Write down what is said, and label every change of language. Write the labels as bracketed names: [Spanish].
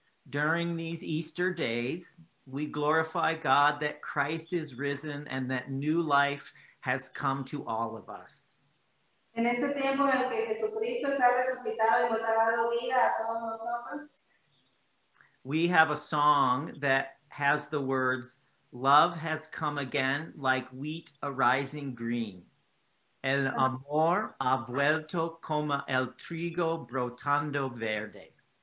[English] During these Easter days, we glorify God that Christ is risen and that new life has come to all of us. [Spanish] En este tiempo en el que Jesucristo está resucitado y nos ha dado vida a todos nosotros, [English] we have a song that has the words, "Love has come again like wheat arising green. [Spanish] El amor ha vuelto como el trigo brotando verde."